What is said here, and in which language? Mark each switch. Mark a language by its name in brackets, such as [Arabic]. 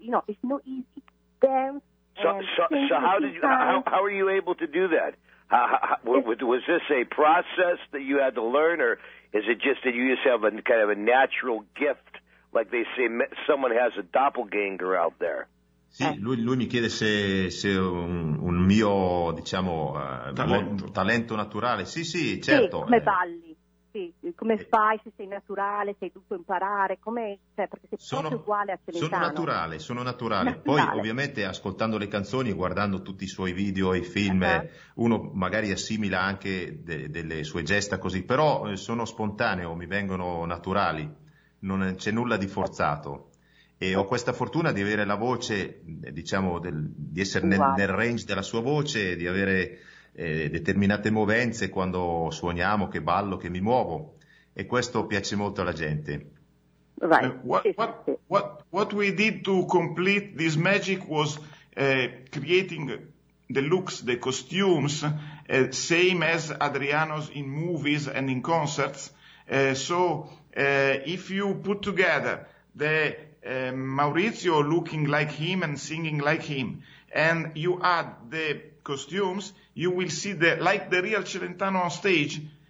[English] It's not easy to dance. So how are you able to do that? Was this a process that you had to learn, or is it just that you just have a kind of a natural gift? Like they say, someone has a doppelganger out there. [Italian] Sì, lui mi chiede se un mio, diciamo, talento naturale. Sì, certo. Sì, come balli. sì, come fai, se sei naturale, sei dovuto imparare, come, cioè, perché sei sono, proprio uguale a Celentano. Sono naturale. Poi ovviamente ascoltando le canzoni e guardando tutti i suoi video e i film, uno magari assimila anche delle sue gesta così, però sono spontaneo, mi vengono naturali, non c'è nulla di forzato. E ho questa fortuna di avere la voce, diciamo, di essere nel range della sua voce, di avere determinate movenze quando suoniamo, che ballo, che mi muovo, e questo piace molto alla gente. [English] What we did to complete this magic was creating the looks, the costumes, same as Adriano's in movies and in concerts. So if you put together the Maurizio looking like him and singing like him, and you add the costumes, you will see the like the real Celentano on stage.